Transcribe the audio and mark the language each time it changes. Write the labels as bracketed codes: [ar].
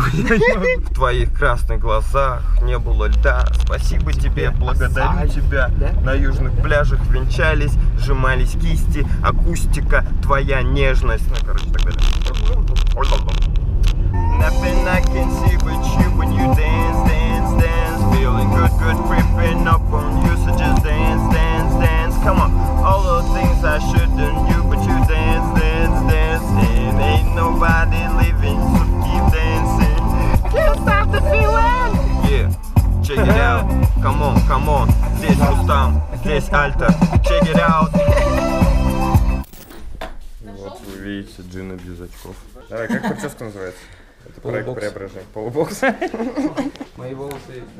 [ru] В твоих красных глазах не было льда. Спасибо тебе, благодарю тебя. На южных пляжах венчались, сжимались кисти. Акустика, твоя нежность. Ну, короче, так далее. [en] Nothing I can see but you when you dance, dance, dance. Feeling good, good, creeping up on you. So just dance, dance, dance. Come on. All the things I shouldn't do but you dance, dance, dance. And ain't nobody leaving, so keep dancing. Can't stop the feeling. Yeah, check it out. Come on, come on. [ru] Здесь Рустам, здесь Альтер. [en] Check it out. [ru] Вот вы видите Джина без очков. Давай, как прическа называется? Это полубокс. Проект преображения. Полубокс. Мои волосы...